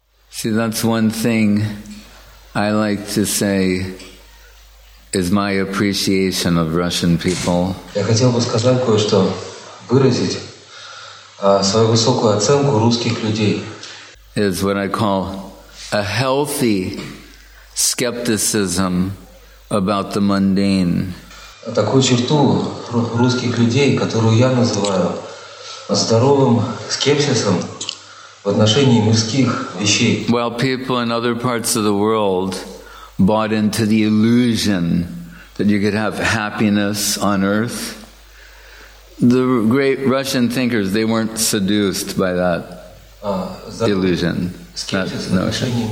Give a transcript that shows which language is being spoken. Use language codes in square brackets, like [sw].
[en] See, that's one thing I like to say is my appreciation of Russian people. [ru] Я хотел бы сказать кое-что, выразить свою высокую оценку русских людей. [en] Is what I call a healthy skepticism about the mundane. [ru] Такую черту русских людей, которую я называю здоровым скепсисом в отношении мирских вещей. [en] While people in other parts of the world bought into the illusion that you could have happiness on earth, the great Russian thinkers, they weren't seduced by that illusion, that notion.